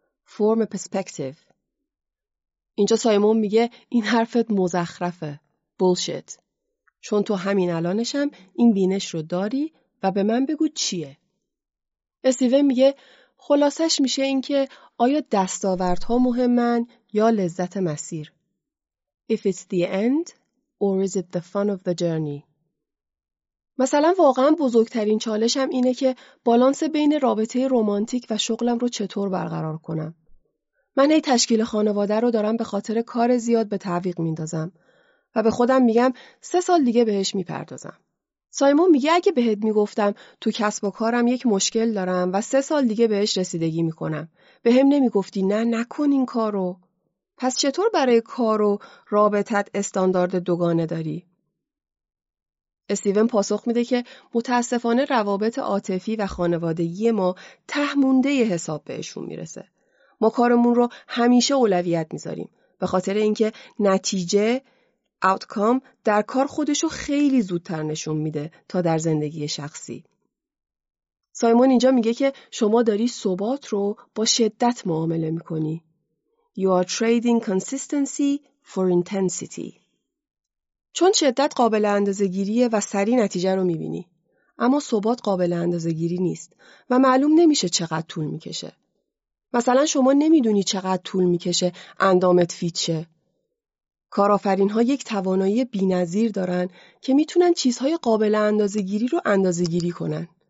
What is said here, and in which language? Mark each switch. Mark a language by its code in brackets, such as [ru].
[fa] فرم پرسپکتیو. اینجا سایمون میگه این حرفت مزخرفه. بولشت. چون تو همین الانشم این بینش رو داری و به من بگو چیه. استیون میگه خلاصش میشه این که آیا دستاوردها مهمن یا لذت مسیر. [en] If it's the end or is it the fun of the journey. [fa] مثلا واقعا بزرگترین چالشم اینه که بالانس بین رابطه رمانتیک و شغلم رو چطور برقرار کنم. من هی تشکیل خانواده رو دارم به خاطر کار زیاد به تعویق میندازم و به خودم میگم 3 سال دیگه بهش میپردازم. سایمون میگه اگه بهت میگفتم تو کسب و کارم یک مشکل دارم و 3 سال دیگه بهش رسیدگی میکنم، به هم نمیگفتی نه نکن این کارو. پس چطور برای کار و رابطت استاندارد دوگانه داری؟ استیون پاسخ میده که متاسفانه روابط عاطفی و خانوادگی ما تهمونده حساب بهشون میرسه. ما کارمون رو همیشه اولویت میذاریم به خاطر اینکه نتیجه آوتکام در کار خودشو خیلی زودتر نشون میده تا در زندگی شخصی. سایمون اینجا میگه که شما داری ثبات رو با شدت معامله میکنی. [en] You are trading consistency for intensity. [fa] چون شدت قابل اندازه‌گیریه و سری نتیجه رو می‌بینی، اما ثبات قابل اندازه‌گیری نیست و معلوم نمیشه چقدر طول می‌کشه. مثلا شما نمی‌دونی چقدر طول می‌کشه اندامت فیت شه. کارآفرین‌ها یک توانایی بی‌نظیر دارن که می‌تونن چیزهای قابل اندازه‌گیری رو اندازه‌گیری کنن